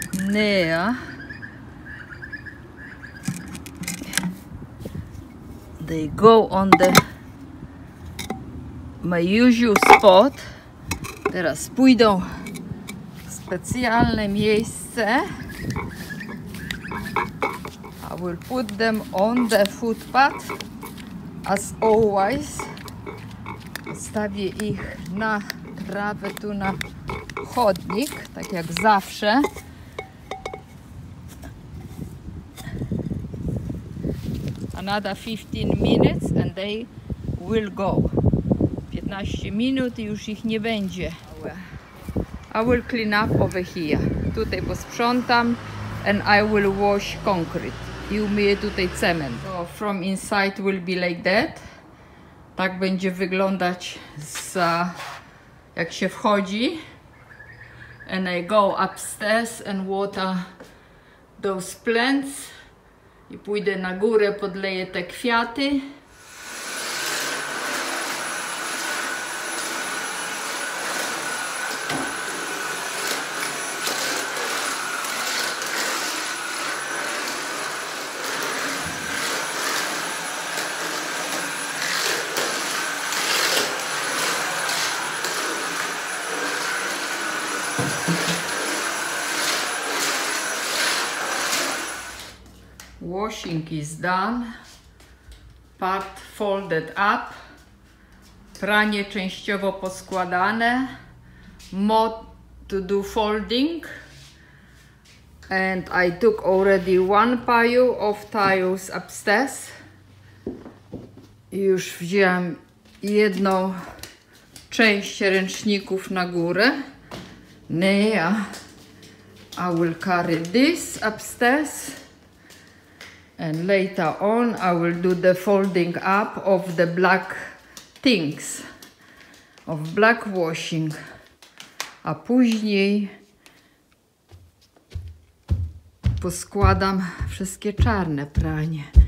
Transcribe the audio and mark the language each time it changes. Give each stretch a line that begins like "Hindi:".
English: Nea. They go on the my usual spot.
Polish: Teraz pójdą w specjalne miejsce.
English: I will put them on the footpath as always.
Polish: Stawię ich na trawę tu na chodnik, tak jak zawsze.
English: Another 15 minutes and they will go.
Polish: 15 minut i już ich nie będzie.
English: I will clean up over here.
Polish: Tutaj posprzątam
English: and I will wash concrete.
Polish: I umyję tutaj cement.
English: So from inside will be like that.
Polish: Tak będzie wyglądać z, jak się wchodzi.
English: And I go upstairs and water those plants.
Polish: I pójdę na górę, podleję te kwiaty.
English: Washing is done. Part folded up.
Polish: Pranie częściowo poskładane.
English: Mop to do folding. And I took already one pile of tiles upstairs.
Polish: Już wziąłem jedną część ręczników na górę.
English: Nea, I will carry this upstairs. And later on, I will do the folding up of the black things, of black washing.
Polish: A później poskładam wszystkie czarne pranie.